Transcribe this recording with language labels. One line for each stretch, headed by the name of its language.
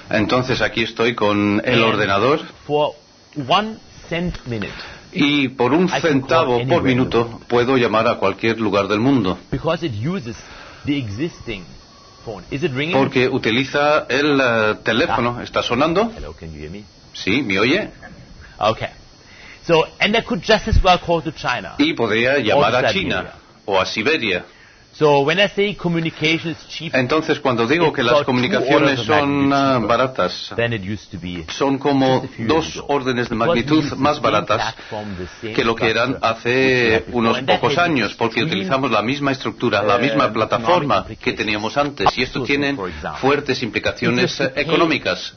Spanish: Entonces aquí estoy con el ordenador.
English: For 1 cent minute.
Spanish: Y por un centavo por minuto puedo llamar a cualquier lugar del mundo.
English: Because it uses the existing phone. Is it ringing?
Spanish: Porque utiliza el teléfono. ¿Está sonando?
English: Hello, can you hear me?
Spanish: Sí, ¿me oye?
English: Okay. So and I could just as well call to China.
Spanish: Y podría llamar a China o a Siberia.
English: So when I say communication is cheap,
Spanish: entonces cuando digo que las comunicaciones son baratas, son como dos órdenes de magnitud más baratas que lo que eran hace unos pocos años, porque utilizamos la misma estructura, la misma plataforma que teníamos antes, y esto tiene fuertes implicaciones económicas.